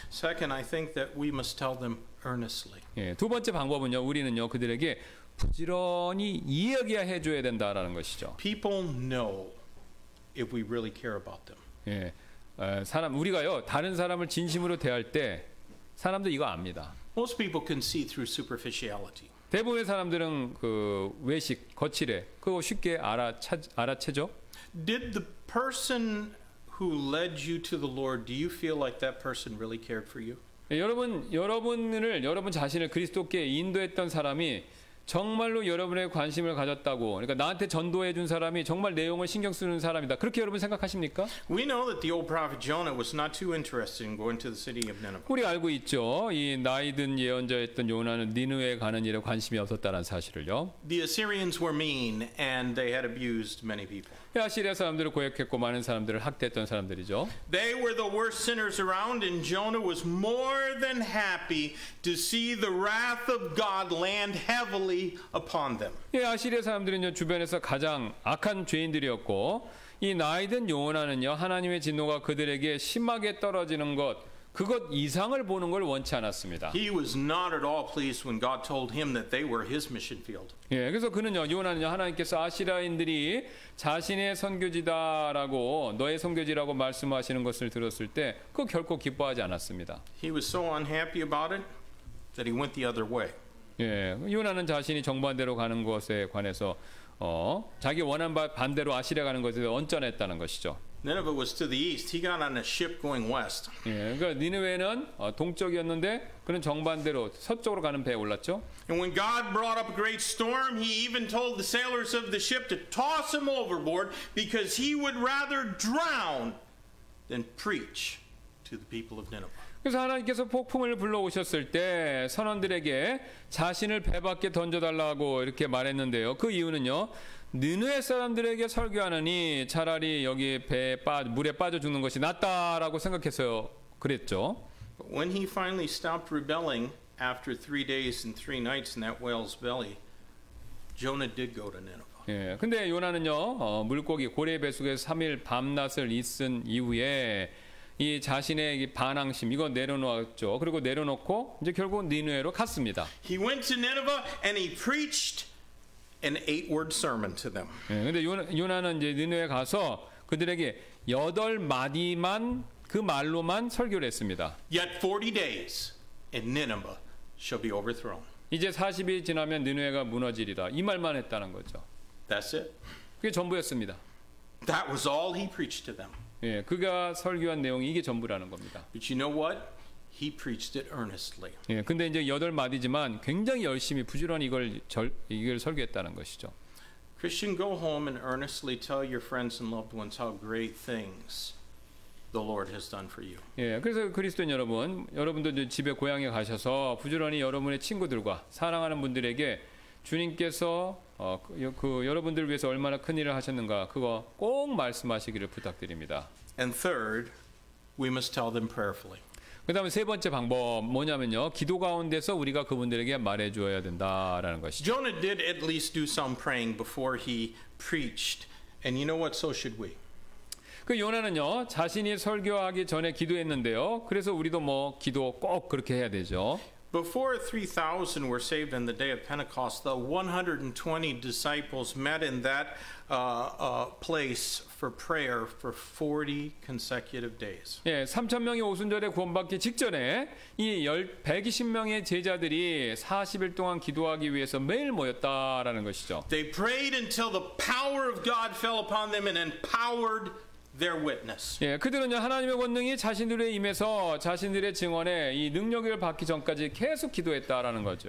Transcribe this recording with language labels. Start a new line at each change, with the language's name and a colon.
English: Second, I think that we must tell them earnestly.
Korean: 예, 두 번째 방법은요. 우리는요 그들에게 부지런히 이야기해 줘야 된다라는 것이죠.
English: People know if we really care about them.
Korean: 예, 사람 우리가요 다른 사람을 진심으로 대할 때 사람도 이거 압니다.
English: Most people can see through superficiality.
Korean: 대부분의 사람들은 그 외식, 거칠에 그거 쉽게 알아채죠.
English: Did the person who led you to the Lord, do you feel like that person really cared for you?
Korean: 여러분 자신을 그리스도께 인도했던 사람이 정말로 여러분의 관심을 가졌다고, 그러니까 나한테 전도해 준 사람이 정말 내용을 신경 쓰는 사람이다. 그렇게 여러분 생각하십니까?
English: We know that the old prophet Jonah was not too interested in going to the city of Nineveh.
Korean: 우리 알고 있죠. 이 나이 든 예언자였던 요나는 니느웨 가는 일에 관심이 없었다는 사실을요.
English: The Assyrians were mean and they had abused many people.
Korean: 아시리아 사람들을 고약했고 많은 사람들을 학대했던 사람들이죠.
English: They were the worst sinners around, and Jonah was more than happy to see the wrath of God land heavily upon them.
Korean: 예, 아시리아 사람들은요 주변에서 가장 악한 죄인들이었고 이 나이든 요나는요 하나님의 진노가 그들에게 심하게 떨어지는 것. 그것 이상을 보는 걸 원치 않았습니다.
English: He was not at all pleased when God told him that they were his mission field.
Korean: 예, 그래서 그는요, 요나는요, 하나님께서 아시라인들이 자신의 선교지다라고 너의 선교지라고 말씀하시는 것을 들었을 때 그 결코 기뻐하지 않았습니다.
English: He was so unhappy about it that he went the other way.
Korean: 예, 요나는 자신이 정반대로 가는 것에 관해서 자기 원한 바 반대로 아시라 가는 것에 언짢했다는 것이죠.
English: Nineveh was to the east. He got on a ship going west.
Korean: 예, 그러니까 니느웨는 동쪽이었는데 그는 정반대로 서쪽으로 가는 배에 올랐죠.
English: And when God brought up a great storm, he even told the sailors of the ship to toss him overboard because he would rather drown than preach to the people of Nineveh.
Korean: 그래서 하나님께서 폭풍을 불러오셨을 때 선원들에게 자신을 배 밖에 던져달라고 이렇게 말했는데요. 그 이유는요. 느느의 사람들에게 설교하느니 차라리 여기 배에 물에 빠져 죽는 것이 낫다라고 생각해서 그랬죠.
English: When he finally stopped rebelling after 3 days and 3 nights in that whale's belly, Jonah did go to Nineveh.
Korean: 예, 근데 요나는요 물고기 고래의 배 속에서 3일 밤낮을 있은 이후에 이 자신의 반항심 이거 내려놓았죠. 그리고 내려놓고 이제 결국 니느웨로 갔습니다.
English: He went to Nineveh and he preached an 8-word sermon to them.
Korean: 근데 요나는 이제 니느웨 가서 그들에게 여덟 마디만 그 말로만 설교를 했습니다.
English: Yet 40 days and Nineveh shall be overthrown.
Korean: 이제 40일 지나면 니느웨가 무너지리라 이 말만 했다는 거죠.
English: That's it.
Korean: 그게 전부였습니다.
English: That was all he preached to them.
Korean: 예, 그가 설교한 내용이 이게 전부라는 겁니다.
English: But you know what? He preached it earnestly.
Korean: 예, 근데 이제 여덟 마디지만 굉장히 열심히 부지런히 이걸 설교했다는 것이죠.
English: Christian, go home and earnestly tell your friends and loved ones how great things the Lord has done for you.
Korean: 예, 그래서 그리스도인 여러분, 여러분도 이제 집에 고향에 가셔서 부지런히 여러분의 친구들과 사랑하는 분들에게 주님께서 그 여러분들을 위해서 얼마나 큰 일을 하셨는가 그거 꼭 말씀하시기를 부탁드립니다.
English: And third, we must tell them prayerfully.
Korean: 그다음에 세 번째 방법 뭐냐면요. 기도 가운데서 우리가 그분들에게 말해 줘야 된다라는 것이.
English: Jonah did at least do some praying before he preached. And you know what? So should we.
Korean: 그 요나는요. 자신이 설교하기 전에 기도했는데요. 그래서 우리도 뭐 기도 꼭 그렇게 해야 되죠.
English: Before 3,000 were saved in the day of Pentecost, the 120 disciples met in that place for prayer for 40 consecutive days.
Korean: 예, 3,000명이 오순절에 구원받기 직전에 이 120명의 제자들이 40일 동안 기도하기 위해서 매일 모였다라는 것이죠.
English: They prayed until the power of God fell upon them and empowered their witness.
Korean: 예, 그들은요 하나님의 권능이 자신들의 임에서 자신들의 증언에 이 능력을 받기 전까지 계속 기도했다라는 거죠.